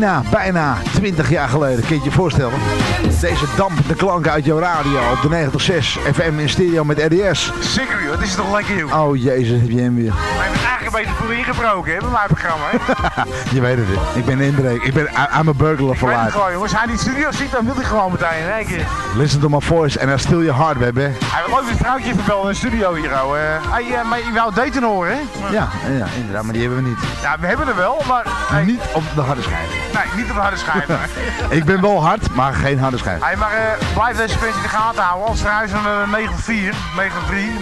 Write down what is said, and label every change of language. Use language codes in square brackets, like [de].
[nl] Bijna 20 jaar geleden. Kun je je voorstellen? Deze dampende klanken uit jouw radio op de 96 FM in stereo met RDS. Zeker, joh. Dit is toch lekker, joh. Oh, jezus. Heb je hem weer. Een beetje voor ingebroken hè, bij mijn programma. Je weet het. Ik ben inbreken. [en] I'm a burglar for life. [nl] Ik weet het gewoon. Als hij niet serieus ziet, dan wil hij gewoon meteen. [en] Listen to my voice and I steal your heart, baby. [nl] Hij wil ook een vrouwtje verbellen in de studio hier. Maar je wou daten horen, hè? Ja, inderdaad. Maar die hebben we niet. Ja, we hebben er wel, maar... Niet op de harde schijf. Nee, niet op de harde schijf. Ik ben wel hard, maar geen harde schijf. Blijf deze mensen in de gaten houden. Als verhuizen naar 94, 93.